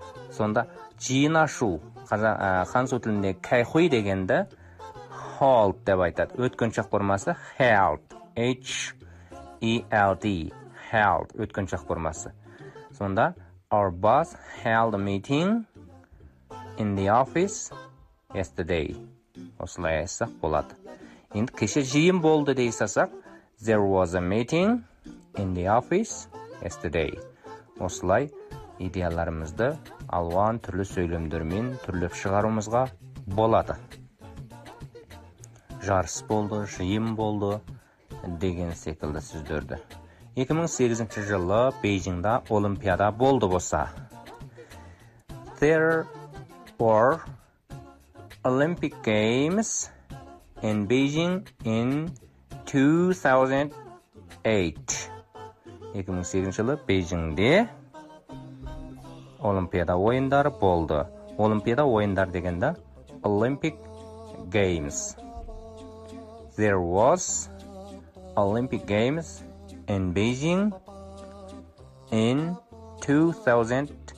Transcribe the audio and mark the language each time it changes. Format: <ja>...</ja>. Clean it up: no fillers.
<kk>Сонда жинашу қанзу тілінде кайхуй дегенді halt деп айтады. Өткіншақ формасы held. H-E-L-D. Held. Өткіншақ формасы. Сонда</kk> <en>our boss held a meeting in the office yesterday.</en> <kk>Осылай айсақ болады. Енді кеше жиын болды дейсасақ,</kk> <en>there was a meeting in the office yesterday.</en> <kk>Осылай идеяларымызды алуан түрлі сөйлемдермен түрліп шығаруымызға болады. Жарыс болды, жиын болды деген секілді сөздерді. 2008 жылы Бейжіңде олимпиада болды болса.</kk> <en>There were Olympic Games in Beijing in 2008.</en> <kk>2008 жылы Бейжіңде олимпиада ойындары болды. Олимпиада ойындар дегенде</kk> <en>Olympic Games. There was Olympic Games in Beijing in 2008.</en>